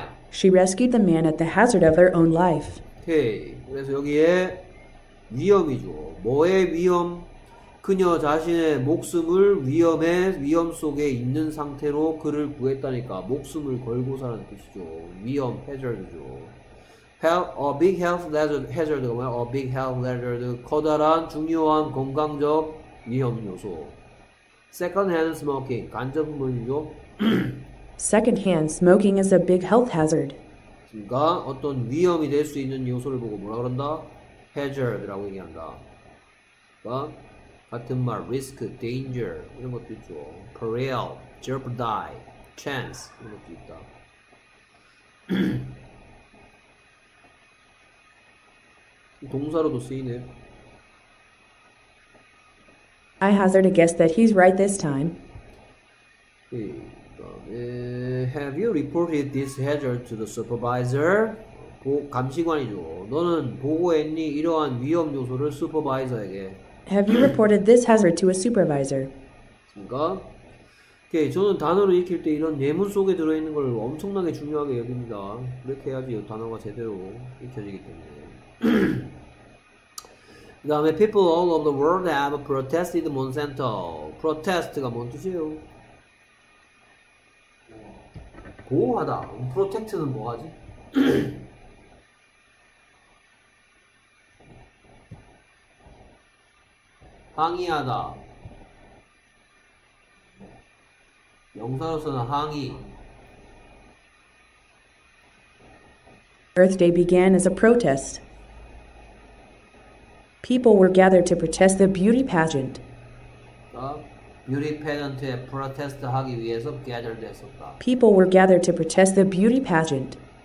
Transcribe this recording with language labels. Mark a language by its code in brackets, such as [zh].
[en] She rescued the man at the hazard of her own life. Okay. [ko] 그래서 여기에 위험이죠. 뭐의 위험? 그녀 자신의 목숨을 위험에 위험 속에 있는 상태로 그를 구했다니까. 목숨을 걸고서라는 뜻이죠. [en] 위험 hazard죠. A big health hazard. [ko] hazard가 뭐야? [en] A big health hazard. [ko] 커다란 중요한 건강적 위험 요소. [en] Second-hand smoking, [ko] 간접음이죠. [en] Second-hand smoking is a big health hazard. [ko] 그러니까 어떤 위험이 될 수 있는 요소를 보고 뭐라 그런다? Hazard라고 얘기한다. 그러니까 같은 말, risk, danger 이런 것도 있죠. Peril, jeopardy, chance 이런 것도 있다. 동사로도 쓰이네. [en] I hazard a guess that he's right this time. Have you reported this hazard to the supervisor? [ko] 감시관이죠. 너는 보고했니 이러한 위험 요소를 슈퍼바이저에게? [en] Have you reported this hazard to a supervisor? [ko] 그러니까 오케이, 저는 단어를 익힐 때 이런 예문 속에 들어 있는 걸 엄청나게 중요하게 여깁니다. 그렇게 해야지 단어가 제대로 익혀지기 때문에. 그 다음에 [en] people all over the world have protested Monsanto. [ko] Protest가 뭔 뜻이에요? 보호하다. Protect는 뭐하지? 항의하다. 명사로서는 항의. [en] Earth Day began as a protest. People were gathered to protest the beauty pageant. [ko] 뷰티 패전트에 프로테스트 하기 위해서 게더됐었다. [en] People were gathered to protest the beauty pageant.